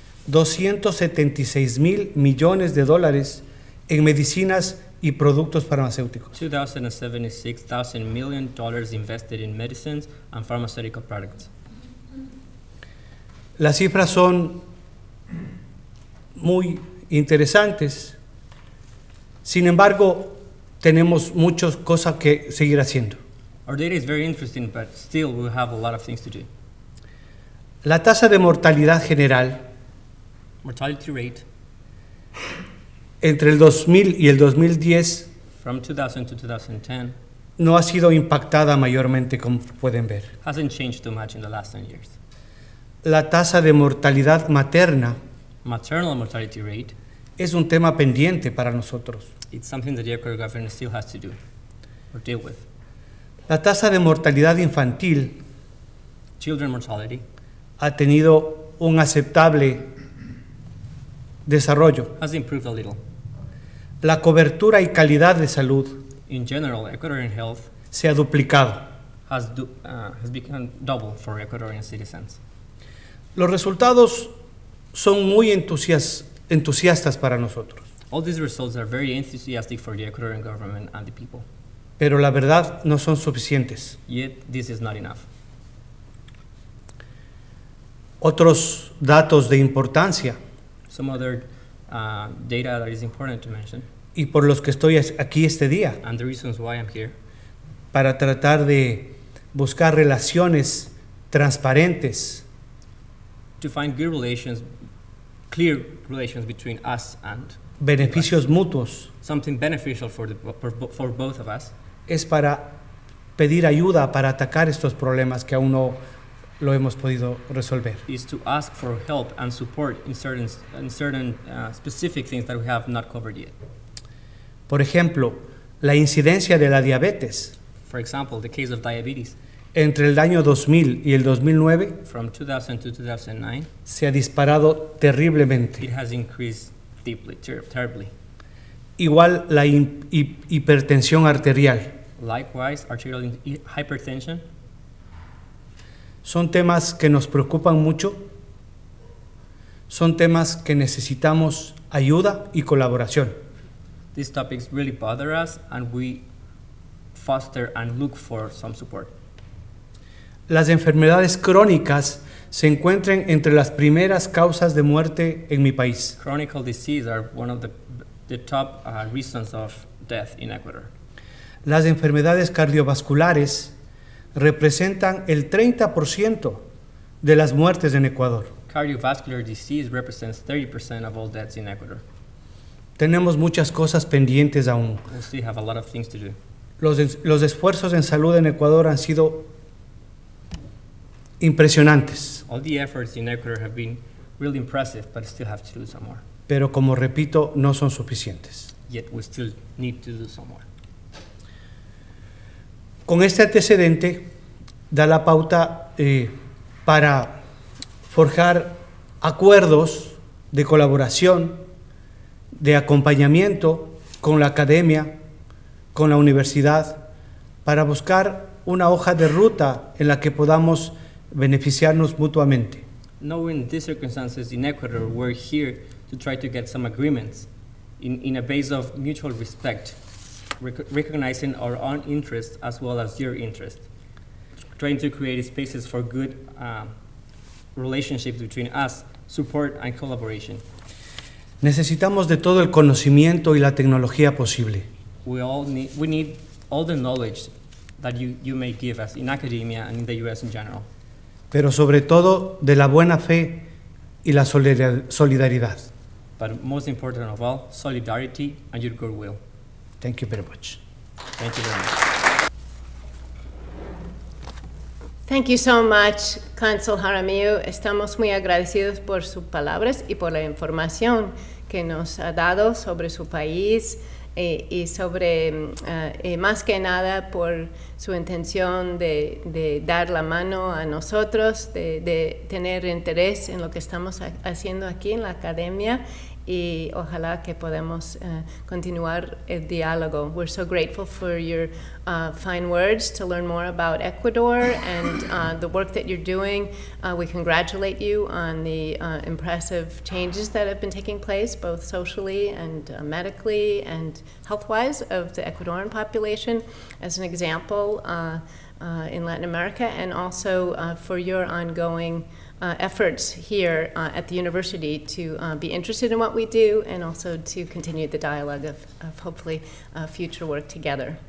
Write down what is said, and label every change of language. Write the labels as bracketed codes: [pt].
[es] 276 mil millones de dólares en medicinas y productos farmacéuticos. [en] 276,000 million dollars invested in medicines and pharmaceutical products. [es] Las cifras son muy interesantes. Sin embargo, tenemos muchas cosas que seguir haciendo. [en] Our data is very interesting, but still we have a lot of things to do. [es] La tasa de mortalidad general, [en] mortality rate, [es] entre el 2000 y el 2010, [en] from 2000 to 2010, [es] no ha sido impactada mayormente, como pueden ver. [en] Hasn't changed too much in the last 10 years. [es] La tasa de mortalidad materna, [en] maternal mortality rate, [es] es un tema pendiente para nosotros. [en] It's something that the Ecuador government still has to do or deal with. [es] La tasa de mortalidad infantil, [en] children mortality, [es] ha tenido un aceptable desarrollo. [en] Has improved a little. [es] La cobertura y calidad de salud, [en] in general, Ecuadorian health, [es] se ha duplicado. [en] Has become double for Ecuadorian citizens. [es] Los resultados son muy entusiastas para nosotros. [en] All these results are very enthusiastic for the Ecuadorian government and the people. [es] Pero la verdad no son suficientes. [en] Yet this is not enough. [es] Otros datos de importancia. [en] Some other data that is important to mention. [es] Y por los que estoy aquí este día. [en] And the reasons why I'm here. [es] Para tratar de buscar relaciones transparentes. [en] To find good relations, clear relations between us and [es] beneficios mutuos. [en] Something beneficial for both of us. [es] Es para pedir ayuda para atacar estos problemas que aún no lo hemos podido resolver. [en] Is to ask for help and support in certain specific things that we have not covered yet. [es] Por ejemplo, la incidencia de la diabetes. [en] For example, the case of diabetes. [es] Entre el año 2000 y el 2009. [en] From 2000 to 2009. [es] Se ha disparado terriblemente. [en] It has increased deeply, terribly. [es] Igual la hipertensión arterial. [en] Likewise, arterial hypertension. [es] Son temas que nos preocupan mucho. Son temas que necesitamos ayuda y colaboración. [en] These topics really bother us, and we foster and look for some support. [es] Las enfermedades crónicas se encuentran entre las primeras causas de muerte en mi país. [en] Chronic diseases are one of the top reasons of death in Ecuador. [es] Las enfermedades cardiovasculares representan el 30% de las muertes en Ecuador. [en] Cardiovascular disease represents 30% of all deaths in Ecuador. [es] Tenemos muchas cosas pendientes aún. [en] We still have a lot of things to do. [es] Los esfuerzos en salud en Ecuador han sido impresionantes. [en] All the efforts in Ecuador have been really impressive, but still have to do some more. [es] Pero como repito, no son suficientes. [en] Yet we still need to do some more. [es] Con este antecedente, da la pauta para forjar acuerdos de colaboración, de acompañamiento con la academia, con la universidad, para buscar una hoja de ruta en la que podamos beneficiarnos mutuamente. [en] Knowing these circumstances in Ecuador, we're here to try to get some agreements in a base of mutual respect, recognizing our own interests as well as your interest, trying to create spaces for good relationships between us, support and collaboration. [es] Necesitamos de todo el conocimiento y la tecnología posible. [en] We need all the knowledge that you may give us in academia and in the U.S. in general. [es] Pero sobre todo de la buena fe y la solidaridad. [en] But most important of all, solidarity and your goodwill. Thank you very much. Thank you very much. Thank you so much, Consul Jaramillo. [es] Estamos muy agradecidos por sus palabras y por la información que nos ha dado sobre su país y sobre, más que nada, por su intención de dar la mano a nosotros, de tener interés en lo que estamos haciendo aquí en la academia, y ojalá que podamos continuar el diálogo. [en] We're so grateful for your fine words to learn more about Ecuador and the work that you're doing. We congratulate you on the impressive changes that have been taking place, both socially and medically and health-wise, of the Ecuadorian population as an example in Latin America, and also for your ongoing efforts here at the university to be interested in what we do and also to continue the dialogue of hopefully future work together.